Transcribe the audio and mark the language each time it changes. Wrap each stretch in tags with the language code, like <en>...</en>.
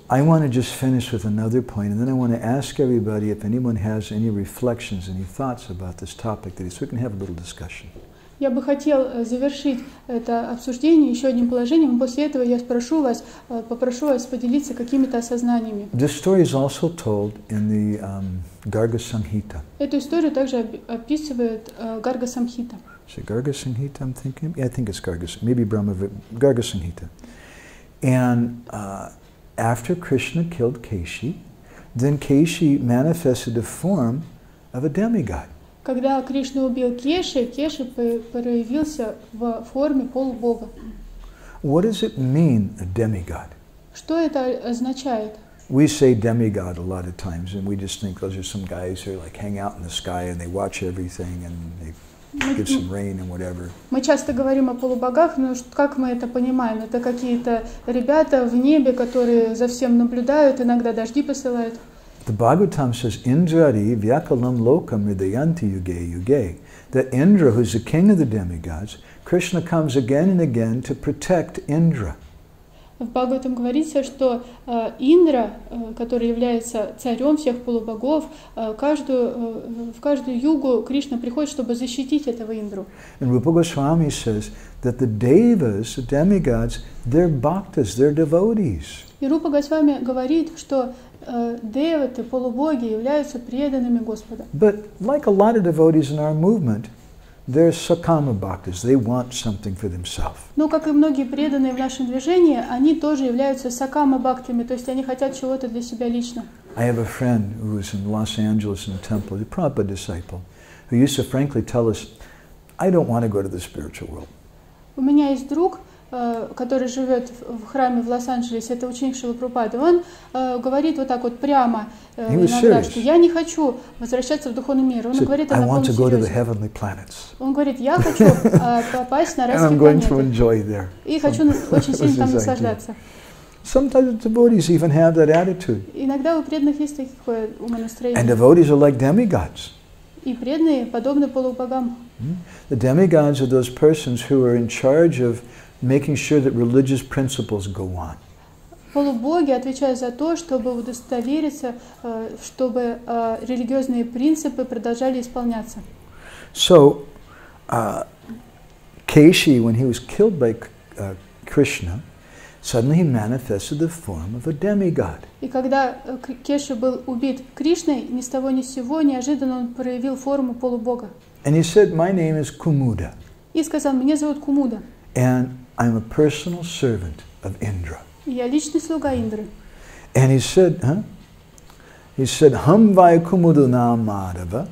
<en>I want to just finish with another point, and then I want to ask everybody if anyone has any reflections, any thoughts about this topic, that so we can have a little discussion.</en> <ru>Я бы хотел завершить это обсуждение еще одним положением. После этого я спрошу вас, попрошу вас поделиться какими-то осознаниями.</ru> <en>This story is also told in the Garga Samhita.</en> <ru>Эту историю также описывает Garga Samhita.</ru> <en>Is it Garga Samhita, I'm thinking? Yeah, I think it's Garga, maybe Brahma, Garga Samhita. And after Krishna killed Keshi, then Keshi manifested the form of a demigod.</en> <ru>Когда Кришна убил Кеши, Кеши проявился в форме полубога.</ru> <en>What does it mean, a demigod?</en> <ru>Что это означает?</ru> <en>We say demigod a lot of times, and we just think those are some guys who like hang out in the sky and they watch everything and they give some rain and whatever.</en> <ru>Мы часто говорим о полубогах, но как мы это понимаем? Это какие-то ребята в небе, которые за всем наблюдают, иногда дожди посылают.</ru> <en>The Bhagavatam says,</en> <sa>Indrari vyakalam lokam ridayanti yuge yuge.</sa> <en>That Indra, who's the king of the demigods, Krishna comes again and again to protect Indra.</en> <ru>В Бхагаватам говорится, что Индра, который является царем всех полубогов, в каждую югу Кришна приходит, чтобы защитить этого Индру.</ru> <en>And Rupa Goswami says that the devas, the demigods, they're bhaktas, they're devotees.</en> <ru>И Рупа Госвами говорит, что деваты, полубоги являются преданными Господа.</ru> <en>But like a lot of devotees in our movement, they're sakama bhaktas. They want something for themselves.</en> <ru>Но как и многие преданные в нашем движении, они тоже являются сакама бхактами, то есть они хотят чего-то для себя лично.</ru> <en>I have a friend who was in Los Angeles in a temple, a Prabhupada disciple, who used to frankly tell us, I don't want to go to the spiritual world.</en> <ru>У меня есть друг, который живет в храме в Лос-Анджелесе, это ученик Шрилы Прабхупады. Он говорит вот так вот прямо иногда, что я не хочу возвращаться в духовный мир. Он говорит о таком серьезе. Он говорит, я хочу попасть на райские планеты. И хочу очень сильно там наслаждаться.</ru> <en>Sometimes devotees even have that attitude.</en> <ru>Иногда у преданных есть такое умонастроение.</ru> <en>And devotees are like demigods.</en> <ru>И преданные подобны полубогам.</ru> <en>The demigods are those persons who are in charge of making sure that religious principles go on.</en> <ru>Полубоги отвечают за то, чтобы удостовериться, чтобы религиозные принципы продолжали исполняться.</ru> <en>So, Keshi, when he was killed by Krishna, suddenly he manifested the form of a demigod.</en> <ru>И когда Кеши был убит Кришной, ни с того ни с сего, неожиданно он проявил форму полубога.</ru> <en>And he said, "My name is Kumuda."</en> <ru>И сказал, "Меня зовут Кумуда."</ru> <en>And I'm a personal servant of Indra.</en> <ru>Я личный слуга Индры.</ru> <en>And he said, He said,</en> <sa>"Hum vai Kumudo na Madhava."</sa>